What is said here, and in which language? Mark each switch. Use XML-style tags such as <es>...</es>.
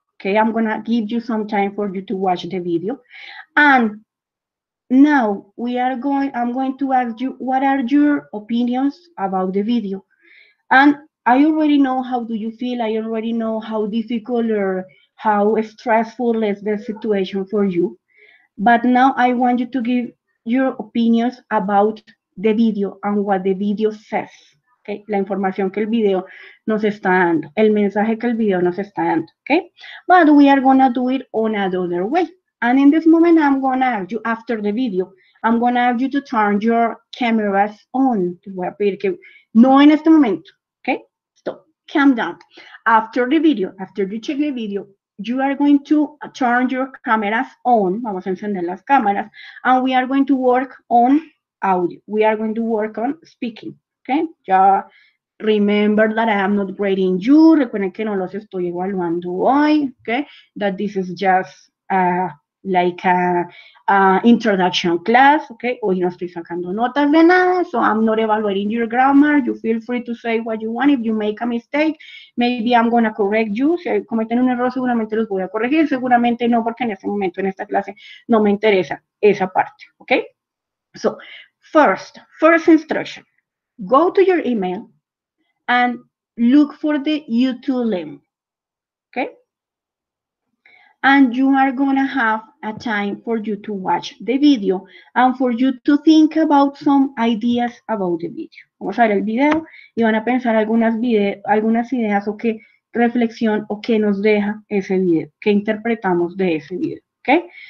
<en>Okay, I'm gonna give you some time for you to watch the video. And now I'm going to ask you, what are your opinions about the video? And I already know how do you feel. I already know how difficult or how stressful is the situation for you. But now I want you to give your opinions about the video and what the video says.</en> <es>Okay, la información que el video nos está dando, el mensaje que el video nos está dando, okay?</es> <en>But we are going to do it on another way. And in this moment, I'm going to ask you, after the video, I'm going to ask you to turn your cameras on.</en> <es>Voy a pedir que, no en este momento, okay?</es> <en>So, calm down. After the video, after you check the video, you are going to turn your cameras on.</en> <es>Vamos a encender las cámaras.</es> <en>And we are going to work on audio. We are going to work on speaking. Okay, ya remember that I am not grading you.</en> <es>Recuerden que no los estoy evaluando hoy.</es> <en>Okay, that this is just like a introduction class.</en> <es>Okay, hoy no estoy sacando notas de nada.</es> <en>So I'm not evaluating your grammar. You feel free to say what you want. If you make a mistake, maybe I'm going to correct you.</en> <es>Si cometen un error, seguramente los voy a corregir. Seguramente no, porque en este momento, en esta clase, no me interesa esa parte.</es> <en>Okay, so first instruction. Go to your email and look for the YouTube link, okay? And you are going to have a time for you to watch the video and for you to think about some ideas about the video.</en> <es>Vamos a ver el video y van a pensar algunas ideas o qué reflexión o qué nos deja ese video, qué interpretamos de ese video, okay?</es>